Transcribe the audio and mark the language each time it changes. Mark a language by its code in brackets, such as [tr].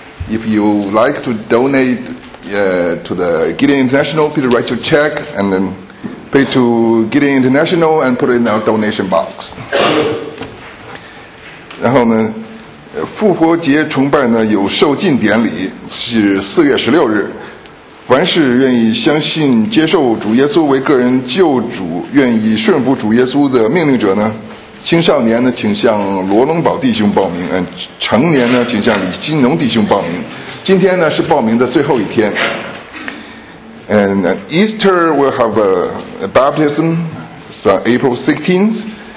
[en] If you like to donate to the Gideon International, please write your check and then pay to Gideon International and put it in our donation box. [zh] 然后呢？复活节崇拜呢有受浸典礼，是4月16日。凡是愿意相信接受主耶稣为个人救主，愿意顺服主耶稣的命令者呢，青少年呢请向罗龙宝弟兄报名，成年呢请向李金龙弟兄报名。今天呢是报名的最后一天。 [en] And Easter will have a baptism on April 16th.